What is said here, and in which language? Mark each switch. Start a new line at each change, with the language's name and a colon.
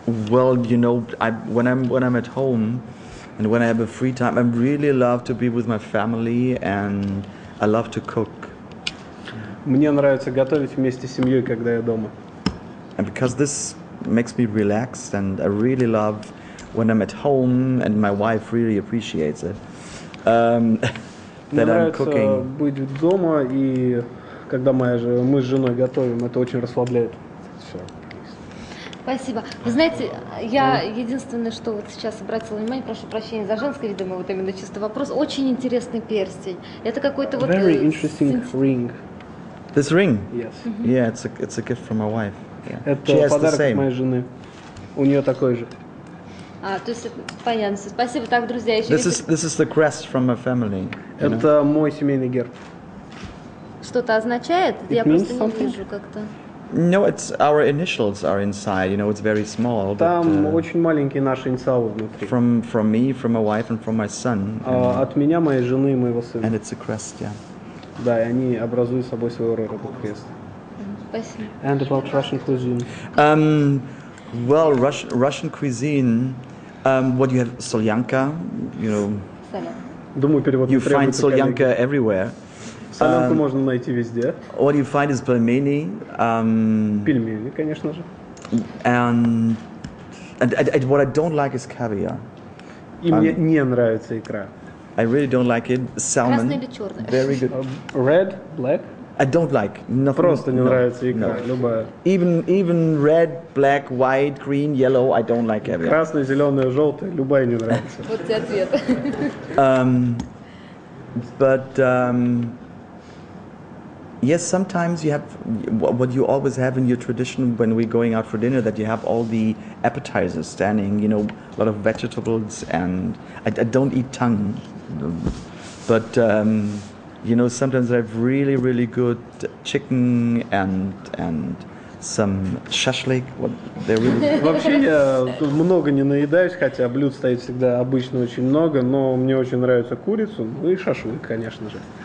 English: Well, you know, when I'm at home and when I have a free time, I really love to be with my family and I love to cook.
Russian: Мне нравится готовить вместе с семьей, когда я дома.
English: And because this makes me relaxed, and I really love when I'm at home, and my wife really appreciates it, that
Russian: мне
English: I'm cooking.
Russian: Быть дома, и когда мы с женой готовим, это очень расслабляет. Спасибо. Вы знаете, я единственное, что вот сейчас обратила внимание, прошу прощения за женское, видимо, вот именно чисто вопрос. Очень интересный перстень. Это какой-то вот...
English: Very interesting ring. This ring? Yes. Mm-hmm. Yeah, it's a gift from my wife.
Russian: Это подарок моей жены. У нее такой же. А, то есть, понятно. Спасибо. Так, друзья, еще...
English: This is the crest from my family.
Russian: Это мой семейный герб. Что-то означает?
English: It
Russian: я просто не вижу как-то.
English: No, it's our initials are inside. You know, it's very small.
Russian: Там
English: but,
Russian: очень маленькие наши инициалы внутри.
English: From me, from my wife, and from my son.
Russian: От меня, моей жены и моего сына.
English: And it's a crest, yeah.
Russian: Да, и они образуют собой своего рода этот крест. Спасибо.
English: And about Russian cuisine. Well, Russian cuisine. What do you have? Solyanka, you know.
Russian: Думаю, перевод.
English: You find Solyanka everywhere.
Russian: Солянку можно найти везде.
English: What you find is пельмени.
Russian: Пельмени, конечно же.
English: And what I don't like is caviar.
Russian: И мне не нравится икра.
English: I really don't like it. Salmon.
Russian: Красный или черный?
English: Very good. Red, black? I don't like. Nothing.
Russian: Просто не нравится икра, любая.
English: Even red, black, white, green, yellow, I don't like caviar.
Russian: Красный, зеленый, желтый, любая не нравится. Вот тебе ответ.
English: Yes, sometimes you have what you always have in your tradition when we're going out for dinner, that you have all the appetizers standing, you know, a lot of vegetables, and I don't eat tongue, but you know, sometimes I have really, really good chicken and some шашлык.
Russian: Вообще я много не наедаюсь, хотя блюд стоит всегда обычно очень много, но мне очень нравится курицу, ну и шашлык, конечно же.